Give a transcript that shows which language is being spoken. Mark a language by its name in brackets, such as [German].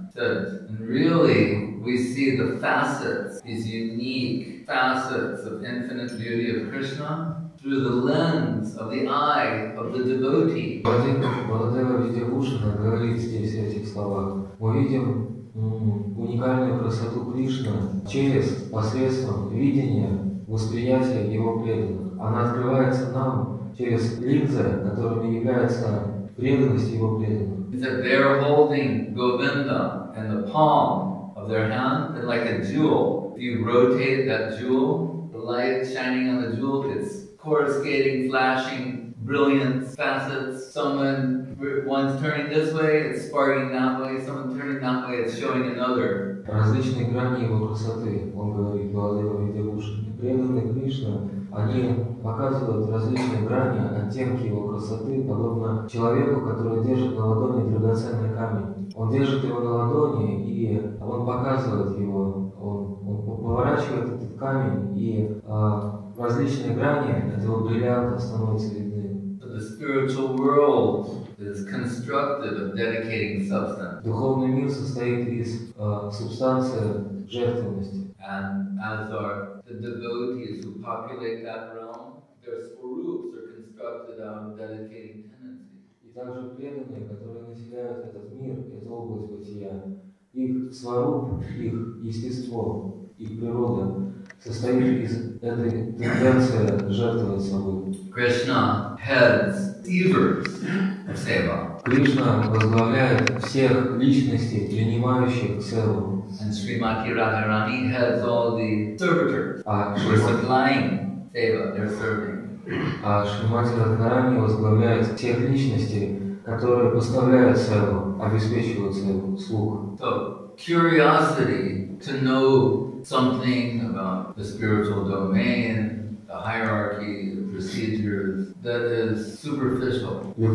[English] And really, we see the facets, these unique facets of infinite beauty of Krishna, through the lens of the eye of the devotee. [Russian] Баладева Видьявушана говорит здесь в этих словах. Мы видим уникальную красоту Кришны через посредством видения, восприятия Его преданных. Она открывается нам через линзы, которыми является преданность Его преданных. [English] That they are holding Govinda in the palm of their hand, and like a jewel, if you rotate that jewel, the light shining on the jewel, it's coruscating, flashing, brilliant facets. Someone, one's turning this way, it's sparking that way. Someone turning that way, it's showing another. [Russian] Различные грани его красоты, он говорит, Баладева Видьявушана. Преданные Кришна, они показывают различные грани, оттенки его красоты, подобно человеку, который держит на ладони драгоценный камень. Он держит его на ладони, и он показывает его, он поворачивает этот камень, и различные грани этого бриллианта становятся видны. [English] The spiritual world is constructed of dedicating substance. [Russian] Духовный мир состоит из субстанции жертвенности. [English] And as are the devotees who populate that realm, their swaroops are constructed out of dedicating tendency. [Russian] И также преданные, которые населяют этот мир, эту область бытия, их сваруп, их естество, их природа состоит из этой тенденции жертвовать собой. [English] Krishna heads weavers of seva. [Russian] Кришна возглавляет всех личностей, принимающих севу. [English] And Srimati Radharani heads all the servitors who are supplying seva, they're serving. [Russian] А Шримати Радхарани возглавляет тех личностей, которые поставляют севу, обеспечивают севу, слуг. [English] So, curiosity to know something about the spiritual domain, the hierarchy, the procedures, that is superficial.